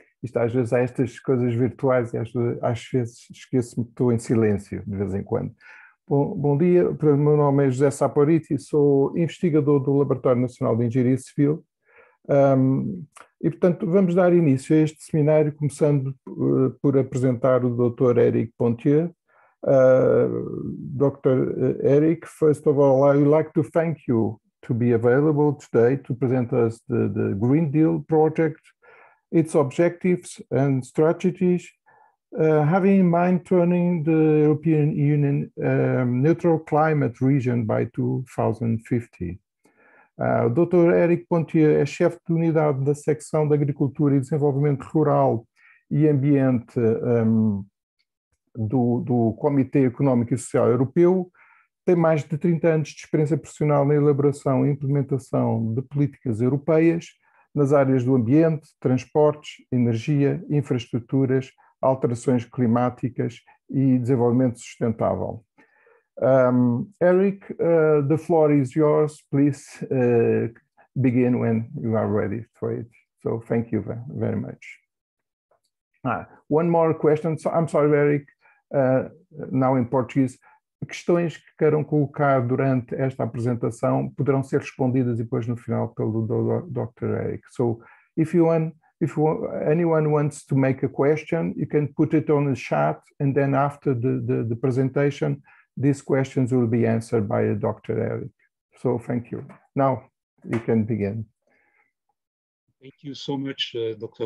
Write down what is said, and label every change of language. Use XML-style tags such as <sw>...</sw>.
<pt>Isto às vezes há estas coisas virtuais e às vezes esqueço-me que estou em silêncio, de vez em quando. Bom dia, o meu nome é José Saporiti, sou investigador do Laboratório Nacional de Engenharia Civil. E, portanto, vamos dar início a este seminário, começando por apresentar o Dr. Eric Ponthieu. Dr.</pt> <en>Eric, first of all, I would like to thank you to be available today to present us the Green Deal project, its objectives and strategies, having in mind turning the European Union neutral climate region by 2050. Dr.</en> <pt>Eric Ponthieu é chefe de unidade da secção da Agricultura e Desenvolvimento Rural e Ambiente do Comitê Económico e Social Europeu. Tem mais de 30 anos de experiência profissional na elaboração e implementação de políticas europeias nas áreas do ambiente, transportes, energia, infraestruturas, alterações climáticas e desenvolvimento sustentável.</pt> <en>Eric, the floor is yours. Please, begin when you are ready for it. So thank you very much. One more question. So, I'm sorry, Eric, now in Portuguese.</en> <pt>Questões que queiram colocar durante esta apresentação poderão ser respondidas depois no final pelo Dr. Eric.</pt> <en>So, if anyone wants to make a question, you can put it on the chat, and then after the presentation, these questions will be answered by Dr. Eric. So, thank you. Now you can begin. Thank you so much, Dr.</en>